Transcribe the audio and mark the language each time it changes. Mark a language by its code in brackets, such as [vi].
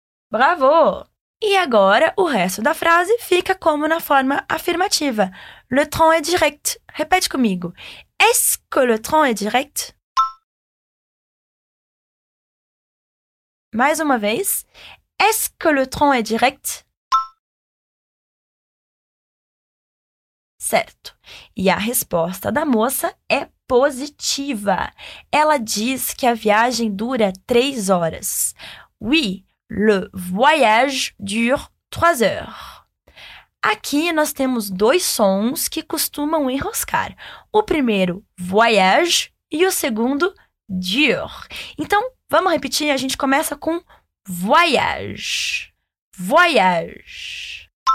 [pt] Bravo! E agora, o resto da frase fica como na forma afirmativa. [fr] Le train est direct. [pt] Repete comigo. [fr] Est-ce que le train est direct? [pt] Mais uma vez. [fr] Est-ce que le train est direct? [pt] Certo. E a resposta da moça é positiva. Ela diz que a viagem dura 3 horas. [fr] Oui, le voyage dure 3 heures. [pt] Aqui nós temos 2 sons que costumam enroscar. O primeiro, voyage, e o segundo, dure. Então, vamos repetir, a gente começa com voyage. [fr] Voyage.